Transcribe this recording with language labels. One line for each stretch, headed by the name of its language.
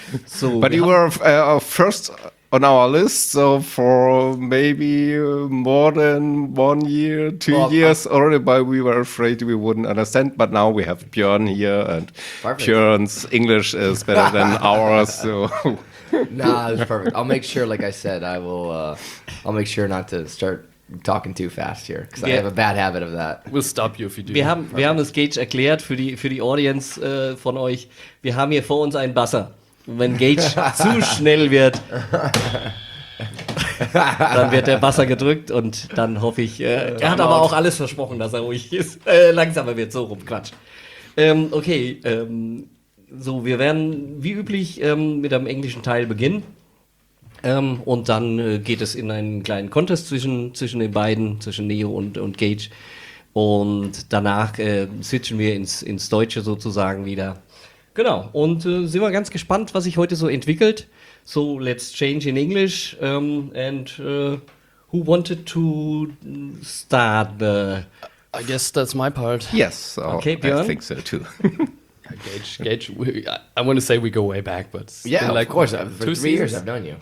English: So, but you were first on our list, so for maybe more than 1 year, two years already, but we were afraid we wouldn't understand. But now we have Björn here, and perfect. Björn's English is better than ours, so... Nah, it's perfect. I'll make sure, like I said, I will. I'll make sure not to start talking too fast here, because I have a bad habit of that. We'll stop you if you do.
German: Wir haben das Gage erklärt für die Audience von euch. Wir haben hier vor uns einen Buzzer. Wenn Gage zu schnell wird, dann wird der Buzzer gedrückt und dann hoffe ich. Er hat aber auch alles versprochen, dass er ruhig ist. Langsamer wird so rum. Quatsch. Okay. So, wir werden wie üblich mit einem englischen Teil beginnen und dann geht es in einen kleinen Contest zwischen den beiden, zwischen Neo und Gage, und danach switchen wir ins Deutsche sozusagen wieder. Genau, und sind wir ganz gespannt, was sich heute so entwickelt.
English: So, let's change in English and who wanted to start the... I guess that's my part. Yes, so okay, Björn. I think so too. Gage, I want to say we go way back, but yeah, like, of course, for three years I've known you.